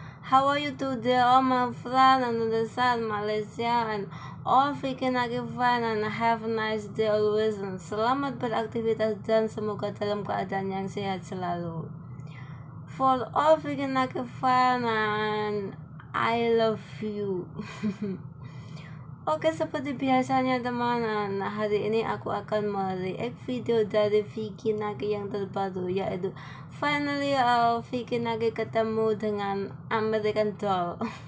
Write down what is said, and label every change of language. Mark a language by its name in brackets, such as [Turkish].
[English] How are you today, all my friends on the side of Malaysia and all FiKi Naki fans, and have a nice day always. [Indonesian] And selamat beraktivitas dan semoga dalam keadaan yang sehat selalu. [English] For all FiKi Naki fans, and I love you. [Indonesian] Oke, seperti biasanya teman-teman, hari ini aku akan mereact video dari FiKi Naki yang terbaru, yaitu Finally FiKi Naki ketemu dengan American Doll.